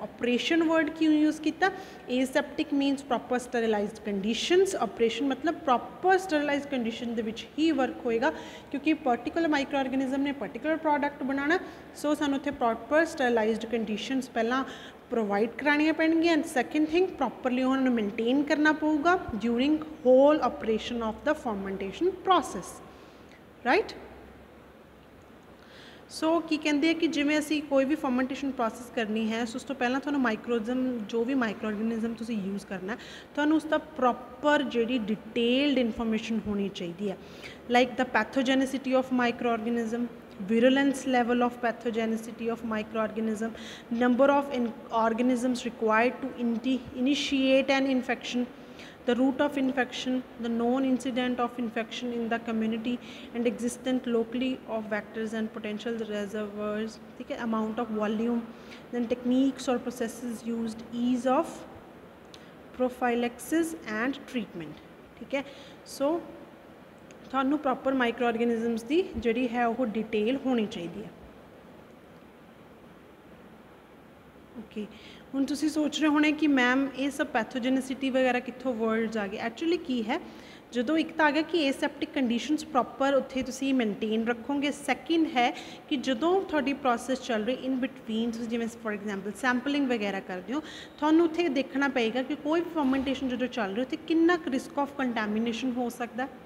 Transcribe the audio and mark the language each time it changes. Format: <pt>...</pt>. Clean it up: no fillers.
<pa>Operation word ਕਿਉਂ use ਕੀਤਾ?</pa> <en>aseptic means proper sterilised conditions,</en> <pa>operation ਮਤਲਬ ਪ੍ਰੋਪਰ ਸਟਰਲਾਈਜ਼ ਕੰਡੀਸ਼ਨ ਦੇ ਵਿੱਚ ਹੀ ਵਰਕ ਹੋਏਗਾ, ਕਿਉਂਕਿ ਪਰਟੀਕੁਲਰ ਮਾਈਕਰੋ ਆਰਗੇਨਿਜ਼ਮ ਨੇ ਪਰਟੀਕੁਲਰ ਪ੍ਰੋਡਕਟ ਬਣਾਉਣਾ। ਸੋ ਸਾਨੂੰ ਉੱਥੇ ਪ੍ਰੋਪਰ ਸਟਰਲਾਈਜ਼ਡ ਕੰਡੀਸ਼ਨਸ ਪਹਿਲਾਂ ਪ੍ਰੋਵਾਈਡ ਕਰਾਉਣੀਆਂ ਪੈਣਗੀਆਂ, ਐਂਡ ਸੈਕਿੰਡ ਥਿੰਗ, ਪ੍ਰੋਪਰਲੀ ਉਹਨਾਂ ਨੂੰ ਮੇਨਟੇਨ ਕਰਨਾ ਪਊਗਾ</pa> <en>during whole operation of the fermentation process,</en> <pa>right. ਸੋ ਕੀ ਕਹਿੰਦੇ ਆ ਕਿ ਜਿਵੇਂ ਅਸੀਂ ਕੋਈ ਵੀ ਫਰਮੈਂਟੇਸ਼ਨ ਪ੍ਰੋਸੈਸ ਕਰਨੀ ਹੈ, ਸੋ ਉਸ ਤੋਂ ਪਹਿਲਾਂ ਤੁਹਾਨੂੰ ਮਾਈਕਰੋਜਮ, ਜੋ ਵੀ ਮਾਈਕਰੋ ਆਰਗੇਨਿਜ਼ਮ ਤੁਸੀਂ ਯੂਜ਼ ਕਰਨਾ, ਤੁਹਾਨੂੰ ਉਸਦਾ ਪ੍ਰੋਪਰ ਜਿਹੜੀ ਡਿਟੇਲਡ ਇਨਫੋਰਮੇਸ਼ਨ ਹੋਣੀ ਚਾਹੀਦੀ ਹੈ,</pa> <en>Like the pathogenicity of microorganism, virulence level of pathogenicity of microorganism, number of organisms required to initiate an infection, the route of infection, the known incident of infection in the community, and existent locally of vectors and potential reservoirs, okay, amount of volume, then techniques or processes used, ease of prophylaxis and treatment, okay.</en> <pa>So ਤੁਹਾਨੂੰ proper micro organisms ਦੀ ਜਿਹੜੀ ਹੈ ਉਹ detail ਹੋਣੀ ਚਾਹੀਦੀ ਹੈ। Okay, ਹੁਣ ਤੁਸੀਂ ਸੋਚ ਰਹੇ ਹੋਣੇ ਕਿ ਮੈਮ ਇਹ ਸਭ ਪੈਥੋਜੈਨਿਸਿਟੀ ਵਗੈਰਾ ਕਿੱਥੋਂ ਵਰਡਸ ਆ ਗਏ? ਐਕਚੁਅਲੀ ਕੀ ਹੈ, ਜਦੋਂ ਇੱਕ ਤਾਂ ਆ ਗਿਆ ਕਿ ਐਸੈਪਟਿਕ ਕੰਡੀਸ਼ਨਸ ਪ੍ਰੋਪਰ ਉੱਥੇ ਤੁਸੀਂ ਮੇਨਟੇਨ ਰੱਖੋਗੇ, ਸੈਕਿੰਡ ਹੈ ਕਿ ਜਦੋਂ ਤੁਹਾਡੀ ਪ੍ਰੋਸੈਸ ਚੱਲ ਰਹੀ ਇਨ ਬਿਟਵੀਨ, ਤੁਸੀਂ ਜਿਵੇਂ ਫੋਰ ਐਗਜ਼ਾਮਪਲ ਸੈਂਪਲਿੰਗ ਵਗੈਰਾ ਕਰਦੇ ਹੋ, ਤੁਹਾਨੂੰ ਉੱਥੇ ਦੇਖਣਾ ਪਏਗਾ ਕਿ ਕੋਈ ਵੀ ਫਰਮੈਂਟੇਸ਼ਨ ਜਦੋਂ ਚੱਲ ਰਹੀ ਉੱਥੇ ਕਿੰਨਾ ਕੁ</pa> <en>risk of contamination</en> <pa>ਹੋ ਸਕਦਾ।</pa>